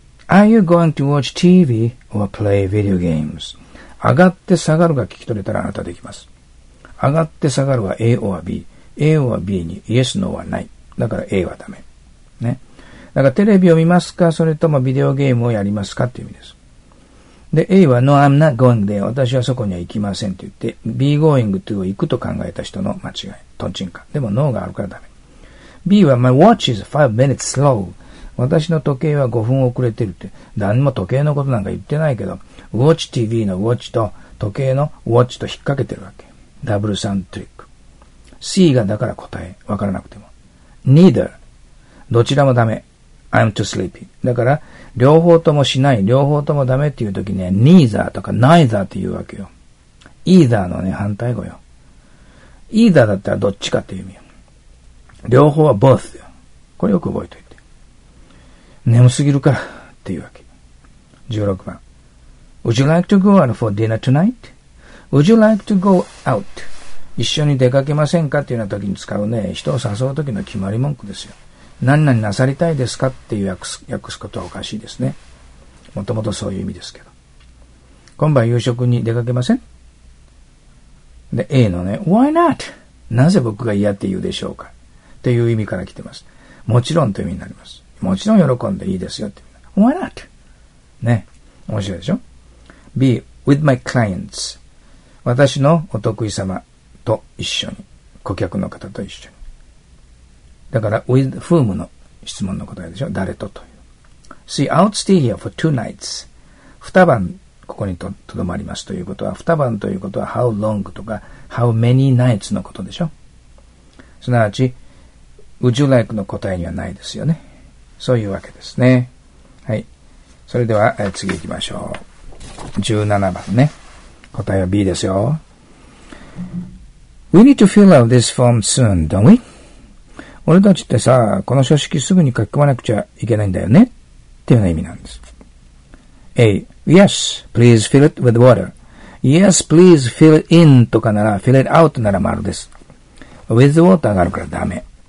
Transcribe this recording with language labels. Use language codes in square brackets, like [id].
[en] Are you going to watch TV or play video games? [ja] 上がって下がるが聞き取れたらあなたできます。上がって下がるは A or B。A or B に Yes, No はない。だから A はダメ。ね。だからテレビを見ますか、それともビデオゲームをやりますかっていう意味です。で、A は [en] No, I'm not going there. [ja] 私はそこには行きませんって言って、B going to を行くと考えた人の間違い。トンチンカン。でも No があるからダメ。 [en] B は My watch is 5 minutes slow. [ja] 私の時計は5分遅れてるって。何も時計のことなんか言ってないけど、 [en] Watch TV [ja] の Watch と時計の Watch と引っ掛けてるわけ。ダブルサウンドトリック。 C がだから答え。わからなくても。Neither。 どちらもダメ。 [en] I'm too sleepy. [ja] だから、両方ともしない、両方ともダメっていう時には、neither とか neither って言うわけよ。 either のね、反対語よ。either だったらどっちかっていう意味よ。両方は both よ。これよく覚えておいて。眠すぎるからっていうわけ。 16番。 [en] Would you like to go out for dinner tonight? Would you like to go out? [ja] 一緒に出かけませんかっていうような時に使うね、人を誘う時の決まり文句ですよ。何々なさりたいですかっていう訳すことはおかしいですね。もともとそういう意味ですけど。今晩夕食に出かけません? で、A のね、Why not? なぜ僕が嫌って言うでしょうかっていう意味から来てます。もちろんという意味になります。もちろん喜んでいいですよって。 [en] Why not? [ja] ね、面白いでしょ [en] ?B, with my clients. [ja] 私のお得意様と一緒に。顧客の方と一緒に。だから、with whom の質問の答えでしょ。誰とという。 [en] See, I'll stay here for two nights. [ja] 二晩ここにとどまりますということは、二晩ということは、how long とか、how many nights のことでしょ。すなわち、would you like の答えにはないですよね。そういうわけですね。はい。それでは、次行きましょう。 17番ね。答えは B ですよ。 [en] We need to fill out this form soon, don't we? [ja] 俺たちってさ、この書式すぐに書き込まなくちゃいけないんだよねっていうような意味なんです。 [en] A. Yes, please fill it with water. Yes, please fill it in とかなら、fill it out なら丸です。 [ja] With water があるからダメ。